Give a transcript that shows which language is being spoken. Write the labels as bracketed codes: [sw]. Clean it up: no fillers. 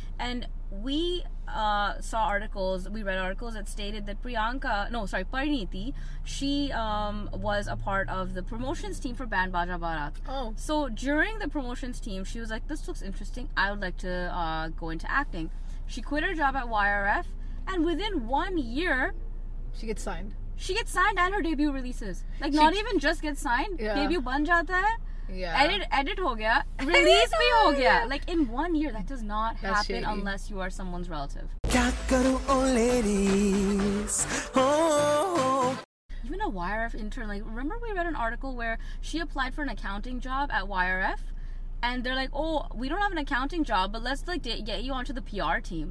[en] And we read articles that stated that Pariniti, she was a part of the promotions team for Band Baja Bharat. Oh. So during the promotions team, she was like, this looks interesting. I would like to go into acting. She quit her job at YRF. And within 1 year... She gets signed. She gets signed and her debut releases. Like, she, not even just gets signed. Yeah. [hi] Debut बन जाता है. [en] Yeah. [hi] Edit हो गया. Release में हो गया. [en] Like in 1 year, that does not happen shady. Unless you are someone's relative. Even a YRF intern, like, remember we read an article where she applied for an accounting job at YRF? And they're like, oh, we don't have an accounting job, but let's like get you onto the PR team.